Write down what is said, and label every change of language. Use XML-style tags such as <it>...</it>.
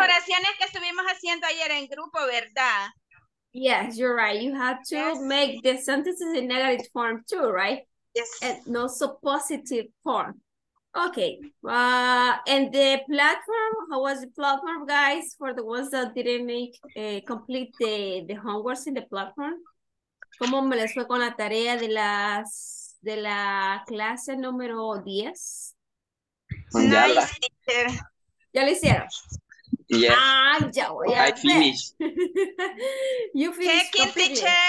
<es>Oraciones que estuvimos haciendo ayer en grupo, ¿verdad?</es> <en>Yes, you're right. You have to make the sentences in negative form too, right? Yes. And no suppositive form. Okay, and the platform, how was the platform, guys, for the ones that didn't make complete the homeworks in the platform?</en> <es>¿Cómo me les fue con la tarea de la clase número 10?</es> <en>Nice.</en> <es>¿Ya lo hicieron?</es> <en>Yes.</en> <es>Ah, ya voy a</es> <en>I finished. You finished. Check it, teacher.</en>